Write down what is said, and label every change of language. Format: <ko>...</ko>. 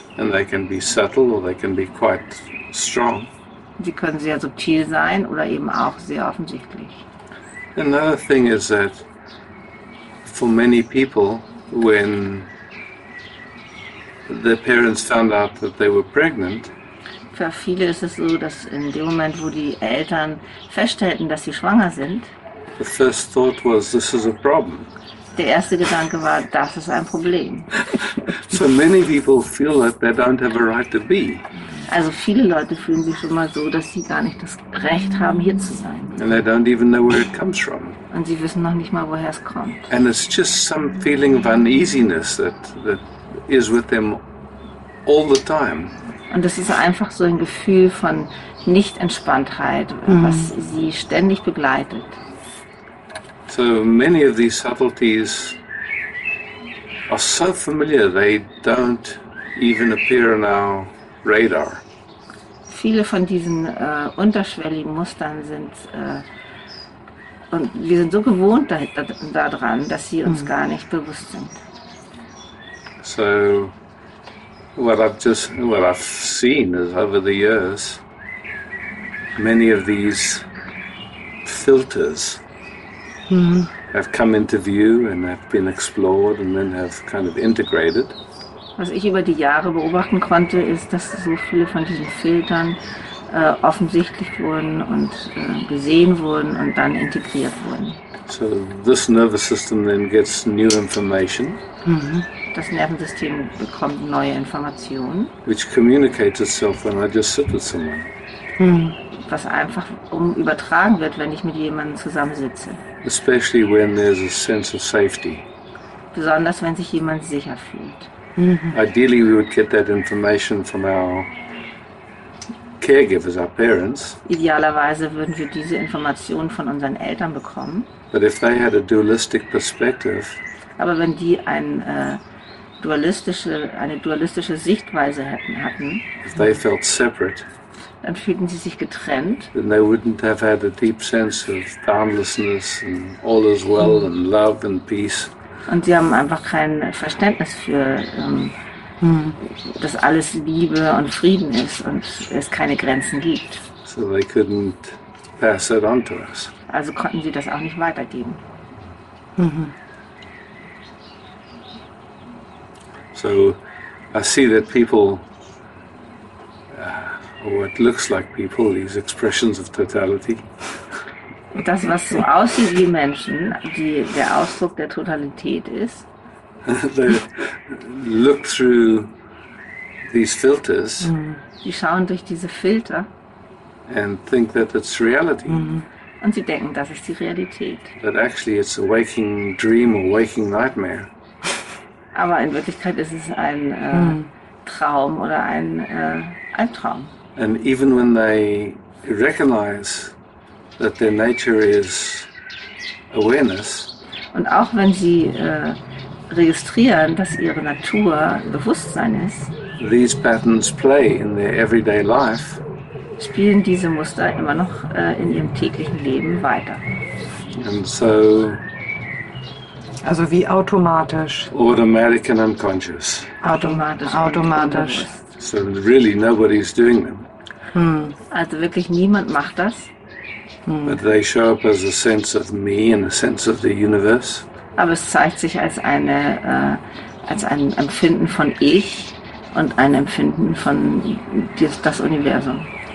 <en>And they can be subtle or they can be quite strong.</en> <de>Sie können sehr subtil sein oder eben auch sehr offensichtlich.</de> <en>Another thing is that for many people, when their parents found out that they were pregnant,</en> <de>für viele ist es so, dass in dem Moment, wo die Eltern feststellten, dass sie schwanger sind,</de> <en>the first thought was, this is a problem.</en> <de>Der erste Gedanke war, das ist ein Problem.</de> <en>So many people feel that they don't have a right to be.</en> <de>Also viele Leute fühlen sich schon mal so, dass sie gar nicht das Recht haben, hier zu sein.</de> <en>And they don't even know where it comes from.</en> <de>Und sie wissen noch nicht mal, woher es kommt.</de> <en>And it's just some feeling of uneasiness that is with them all the time.</en> <de>Und das ist einfach so ein Gefühl von Nicht-Entspanntheit, was sie ständig begleitet.</de> <en>So many of these subtleties are so familiar, they don't even appear in our radar.</en> <de>Viele von diesen unterschwelligen Mustern sind, und wir sind so gewohnt daran, dass sie uns gar nicht bewusst sind.</de> <en>So, what I've seen is over the years, many of these filters have come into view and have been explored and then have kind of integrated.</en> <de>Was ich über die Jahre beobachten konnte, ist, dass so viele von diesen Filtern offensichtlich wurden und gesehen wurden und dann integriert wurden.</de> <en>So this nervous system then gets new information.</en> <de>Das Nervensystem bekommt neue Informationen.</de> <en>Which communicates itself when I just sit with someone.</en> <de>Was einfach übertragen wird, wenn ich mit jemandem zusammensitze.</de> <en>Especially when there's a sense of safety.</en> <de>Besonders wenn sich jemand sicher fühlt.</de> <en>Ideally we would get that information from our caregivers, our parents.</en> <de>Idealerweise würden wir diese Information von unseren Eltern bekommen.</de> <en>But if they had a dualistic perspective,</en> <de>aber wenn die eine dualistische Sichtweise hatten,</de> <en>if they felt separate,</en> <de>dann fühlten sie sich getrennt.</de> <en>Then they wouldn't have had a deep sense of boundlessness and all is well and love and peace.</en> <de>Und sie haben einfach kein Verständnis für, dass alles Liebe und Frieden ist und es keine Grenzen gibt.</de> <en>So they couldn't pass it on to us.</en> <de>Also konnten sie das auch nicht weitergeben.</de> <en>So I see that people, what looks like people, these expressions of totality.</en> <de>Das, was so aussieht wie Menschen, der Ausdruck der Totalität ist.</de> <en>They look through these filters.</en> <de>Die schauen durch diese Filter.</de> <en>And think that it's reality.</en> <de>Und sie denken, das ist die Realität.</de> <en>But actually it's a waking dream or waking nightmare.</en> <de>Aber in Wirklichkeit ist es ein Traum oder ein Albtraum.</de> <en>And even when they recognize that their nature is awareness,</en> <de>und auch wenn sie registrieren, dass ihre Natur Bewusstsein ist,</de> <en>these patterns play in their everyday life,</en> <de>spielen diese Muster immer noch in ihrem täglichen Leben weiter.</de> <en>And so,</en> <de>also wie automatisch.</de> <en>Automatic and unconscious.</en> <de>Automatisch.</de> <en>So really nobody is doing them.</en> <de>Also wirklich niemand macht das.</de> <en>But they show up as a sense of me and a sense of the universe.</en> <de>Aber es zeigt sich als eine als ein Empfinden von ich und ein Empfinden von das Universum.</de>